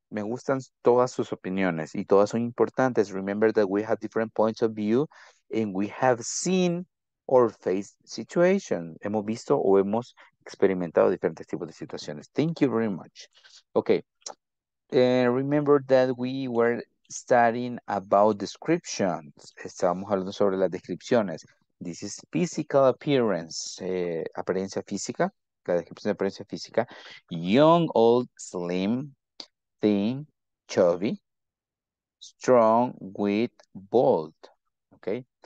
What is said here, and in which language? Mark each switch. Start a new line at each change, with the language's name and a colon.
Spanish: Me gustan todas sus opiniones y todas son importantes.
English: Remember that we have different points of view and we have seen or faced situations.
Spanish: Hemos visto o hemos experimentado diferentes tipos de situaciones.
English: Thank you very much. Okay, remember that we were studying about descriptions.
Spanish: Estábamos hablando sobre las descripciones.
English: This is physical appearance,
Spanish: apariencia física. La descripción de apariencia física.
English: Young, old, slim, thin, chubby, strong, with, bold. Okay.